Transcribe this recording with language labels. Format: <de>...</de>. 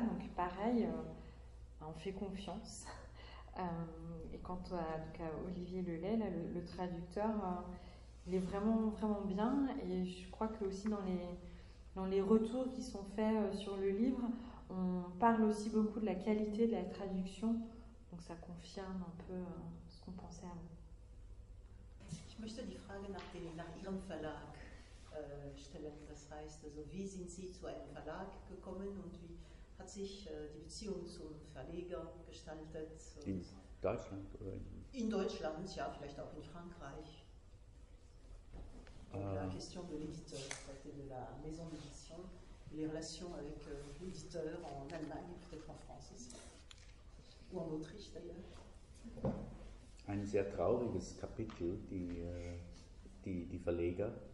<fr>Donc pareil, on fait confiance. Et quant à Olivier Lelay, le traducteur, il est vraiment, vraiment bien. Et je crois que aussi dans les retours qui sont faits sur le livre, on parle aussi beaucoup de la qualité de la traduction. Donc ça confirme un peu ce qu'on pensait avant.</fr> <de>Ich möchte die Frage nach, den, nach Ihrem Verlag stellen. Das heißt, also, wie sind Sie zu einem Verlag gekommen und wie hat sich die Beziehung zum Verleger gestaltet? In Deutschland? Oder in Deutschland, ja, vielleicht auch in Frankreich.</de> <fr>La question de l'éditeur, c'était de la maison d'édition, les relations avec l'éditeur en Allemagne et peut-être en France aussi, ou en Autriche d'ailleurs.</fr> <de>Ein sehr trauriges Kapitel, die Verleger.</de>